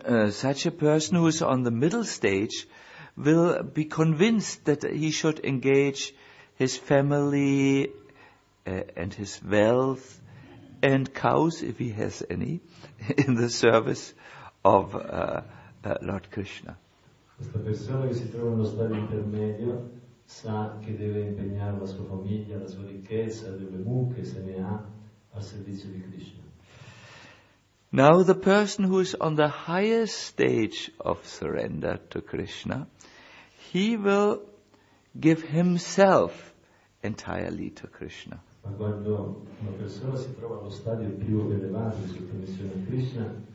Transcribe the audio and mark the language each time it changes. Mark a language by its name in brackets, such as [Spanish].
[English] Such a person who is on the middle stage will be convinced that he should engage his family and his wealth and cows, if he has any, in the service of Lord Krishna. [Italian] Questa persona che si trova in uno stadio intermedio sa che deve impegnare la sua famiglia, la sua ricchezza, le mucche se ne ha al servizio di Krishna. [English] Now the person who is on the highest stage of surrender to Krishna, he will give himself entirely to Krishna. [Italian] Ma quando una persona si trova allo stadio più elevato di sottomissione a Krishna,